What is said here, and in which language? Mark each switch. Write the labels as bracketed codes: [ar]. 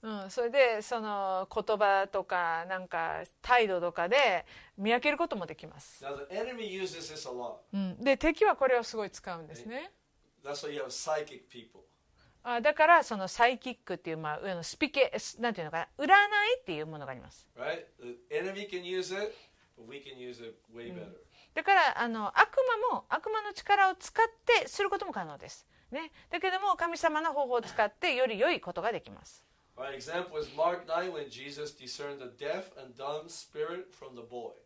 [ja] それでその言葉とかなんか態度とかで見分けることもできます。 [en] Now the enemy uses this a lot. [ja] で敵はこれをすごい使うんですね。 [en] That's why you have psychic people. [ja] だからそのサイキックっていう、まあ、スピケなんていうのかな、占いっていうものがあります。 [en] Right? The enemy can use it, but we can use it way better. [ja] だからあの悪魔も悪魔の力を使ってすることも可能です。ね、だけども神様の方法を使ってより良いことができます。 [en] My example is Mark 9 when Jesus discerned the deaf and dumb spirit from the boy.